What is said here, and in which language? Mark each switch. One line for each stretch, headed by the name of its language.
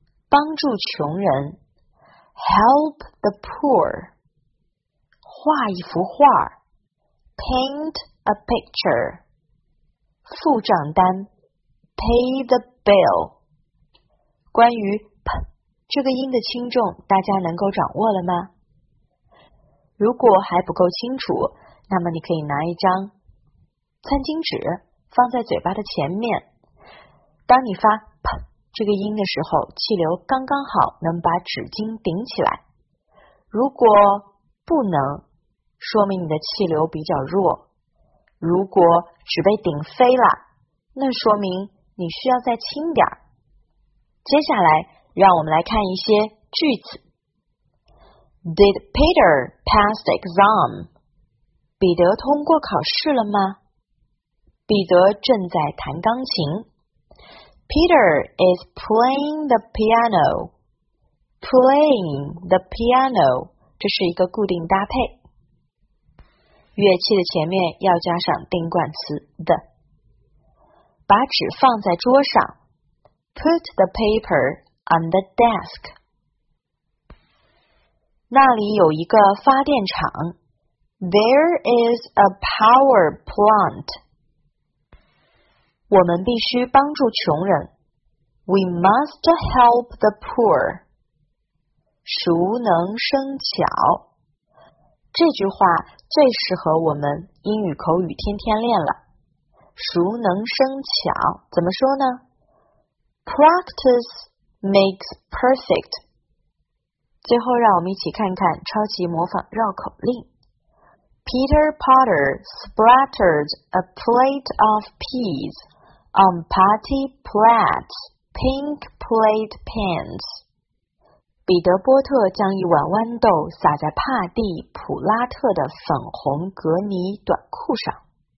Chinese: 帮助穷人
English: Help the poor
Chinese: 画一幅画
English: Paint a picture
Chinese: 付账单
English: Pay the bill
Chinese: 关于 p 这个音的轻重大家能够掌握了吗？如果还不够清楚，那么你可以拿一张餐巾纸放在嘴巴的前面，当你发砰这个音的时候，气流刚刚好能把纸巾顶起来。如果不能，说明你的气流比较弱。如果纸被顶飞了，那说明你需要再轻点。接下来让我们来看一些句子。
English: Did Peter pass the exam?
Chinese: 彼得通过考试了吗？彼得正在弹钢琴。
English: Peter is playing the piano. Playing the piano,
Chinese: 这是一个固定搭配。乐器的前面要加上定冠词 the。把纸放在桌上。
English: Put the paper on the desk.
Chinese: 那里有一个发电厂。
English: There is a power plant.
Chinese: 我们必须帮助穷人。
English: We must help the poor.
Chinese: 熟能生巧。这句话最适合我们英语口语天天练了。熟能生巧，怎么说呢？
English: Practice makes perfect.
Chinese: 最后让我们一起看看超级模仿绕口令。
English: Peter Potter splattered a plate of peas on Patty Platt's pink plate pans.
Chinese: 彼得波特将一碗豌豆撒在帕蒂普拉特的粉红格尼短裤上。